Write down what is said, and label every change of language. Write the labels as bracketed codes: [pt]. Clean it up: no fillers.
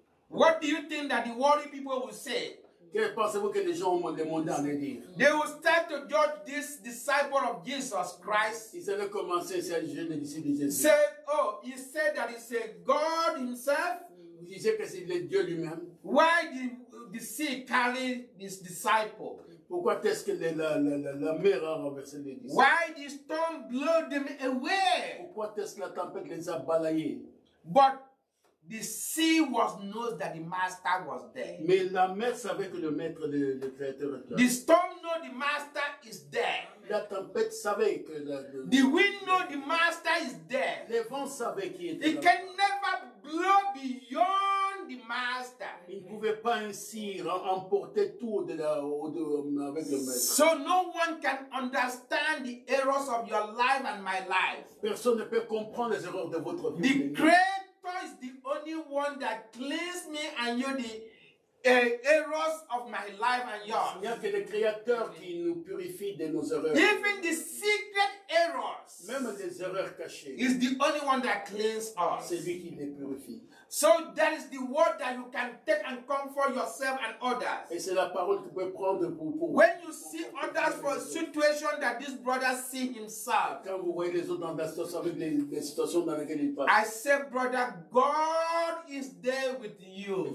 [en] what do you think that the worry people will say? [fr] Que pensez-vous que les gens vont demander à dire? [en] They will start to judge this disciple of Jesus Christ. [fr] Ils allaient commencer à juger le disciple de Jésus. [en] Say, oh, he said that he said God himself. [fr] Il disait que c'est le Dieu lui-même. [en] Why the sea carry this disciple? [fr] Pourquoi est-ce que la mer a renversé les disciples? [en] Why the storm blew them away? [fr] Pourquoi est-ce que la tempête les a balayés? [en] But the sea was knows that the master was there. [fr] Mais la mer savait que le maître, le créateur était là. [en] The storm know the master is there. [fr] La tempête savait que [en] the wind know the master is there. [fr] Le vent savait qu'il était là. [en] It can never blow beyond. The master. [fr] Il ne pouvait pas ainsi emporter tout avec le maître. [en] So no one can understand the errors of your life and my life. [fr] Personne ne peut comprendre les erreurs de votre vie. [en] The Creator is the only one that cleans me and you the errors of my life and yours. [fr] Il n'y a que le Créateur qui nous purifie de nos erreurs. [en] Even the secret errors. [fr] Même les erreurs cachées. [en] Is the only one that cleans us. [fr] C'est lui qui les purifie. [en] So that is the word that you can take and comfort yourself and others. [fr] Et c'est la parole que tu peux prendre pour [en] when you see others for a situation that this brother see himself. [fr] Quand vous voyez les autres dans la situation avec les situations dans lesquelles il passe. [en] I say, brother, God is there with you.